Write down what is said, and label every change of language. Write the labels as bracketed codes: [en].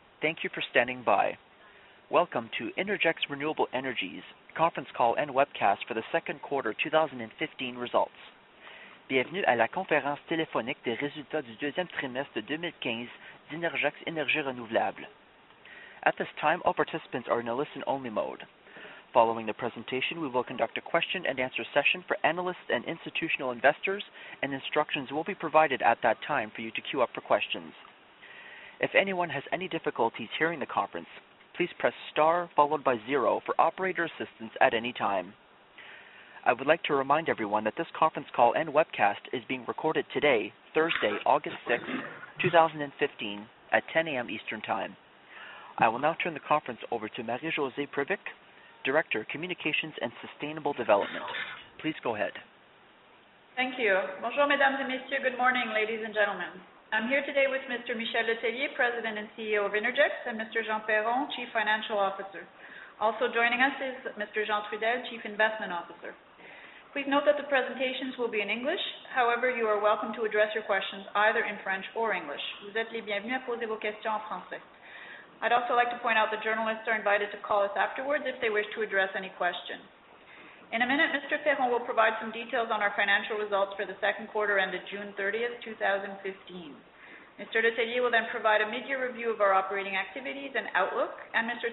[en] Thank you for standing by. Welcome to Innergex Renewable Energy's conference call and webcast for the second quarter 2015 results. [fr] Bienvenue à la conférence téléphonique des résultats du deuxième trimestre 2015 d'Innergex Énergies Renouvelables. [en] At this time, all participants are in a listen-only mode. Following the presentation, we will conduct a question-and-answer session for analysts and institutional investors, and instructions will be provided at that time for you to queue up for questions. If anyone has any difficulties hearing the conference, please press star followed by zero for operator assistance at any time. I would like to remind everyone that this conference call and webcast is being recorded today, Thursday, August 6, 2015, at 10:00 A.M. Eastern Time. I will now turn the conference over to Marie-José Prévec, Director, Communications and Sustainable Development. Please go ahead. Thank you. [fr] Bonjour, mesdames et messieurs. [en] Good morning, ladies and gentlemen. I'm here today with Mr. Michel Letellier, President and CEO of Innergex, and Mr. Jean Perron, Chief Financial Officer. Also joining us is Mr. Jean Trudel, Chief Investment Officer. Please note that the presentations will be in English. However, you are welcome to address your questions either in French or English. [fr] Vous êtes les bienvenus à poser vos questions en français. [en] I'd also like to point out that journalists are invited to call us afterwards if they wish to address any question. In a minute, Mr. Perron will provide some details on our financial results for the second quarter ended June 30, 2015. Mr. Letellier will then provide a mid-year review of our operating activities and outlook, and Mr.